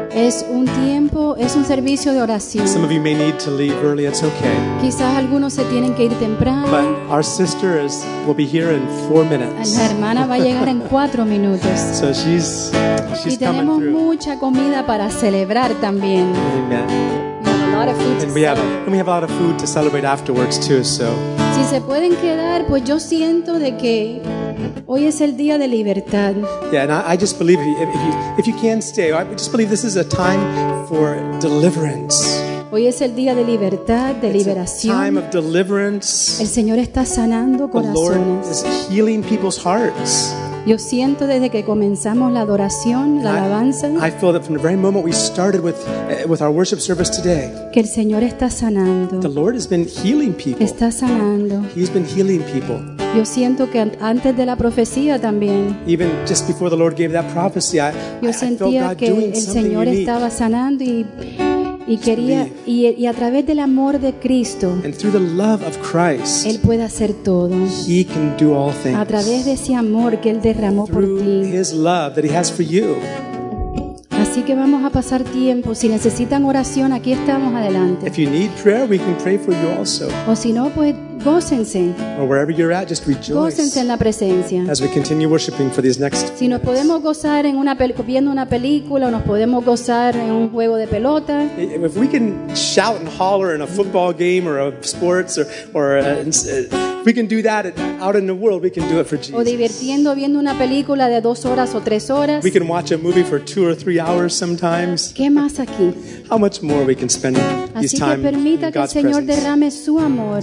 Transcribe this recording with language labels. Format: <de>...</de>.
<es>Es un tiempo, es un servicio de oración.</es> <en>Some of you may need to leave early. It's okay.</en> <es>Quizás algunos se tienen que ir temprano.</es> <en>But our sister will be here in 4 minutes.</en> <es>La hermana va a llegar en 4 minutos.</es> <en>So she's coming through.</en> <es>Y tenemos mucha comida para celebrar también.</es> <en>Amen. And we have a lot of food to celebrate afterwards too. So.</en> <es>Si se pueden quedar, pues yo siento de que hoy es el día de libertad.</es> <en>Yeah, and I just believe if you can stay, I just believe this is a time for deliverance.</en> <es>Hoy es el día de libertad, de liberación.</es> <en>It's a time of deliverance.</en> <es>El Señor está sanando corazones.</es> <en>The Lord is healing people's hearts.</en> <es>Yo siento desde que comenzamos la adoración, la alabanza.</es> <en>I feel that from the very moment we started with our worship service today.</en> <es>Que el Señor está sanando.</es> <en>The Lord has been healing people.</en> <es>Está sanando.</es> <en>He's been healing people.</en> <es>Yo siento que antes de la profecía también.</es> <en>Even just before the Lord gave that prophecy, I felt God doing something unique.</en> <es>Yo sentía que el Señor estaba sanando y quería y a través del amor de Cristo.</es> <en>And through the love of Christ.</en> <es>Él puede hacer todo.</es> <en>He can do all things.</en> <es>A través de ese amor que él derramó por ti.</es> <en>Through his love that he has for you.</en> <es>Así que vamos a pasar tiempo. Si necesitan oración, aquí estamos adelante.</es> <en>If you need prayer, we can pray for you also.</en> <es>O si no, pues gócense.</es> <en>Or wherever you're at, just rejoice.</en> <es>Gócense en la presencia.</es> <en>As we continue worshiping for these next.</en> <es>Si nos podemos gozar en una viendo una película, o nos podemos gozar en un juego de pelota.</es> <en>If we can shout and holler in a football game or a sports we can do that out in the world, we can do it for Jesus.</en> <es>O divirtiendo viendo una película de 2 horas o 3 horas.</es> <en>We can watch a movie for 2 or 3 hours sometimes.</en> <es>¿Qué más aquí?</es> <en>How much more we can spend these in God's presence.</en> <es>Así que permita que el Señor derrame su amor.</es>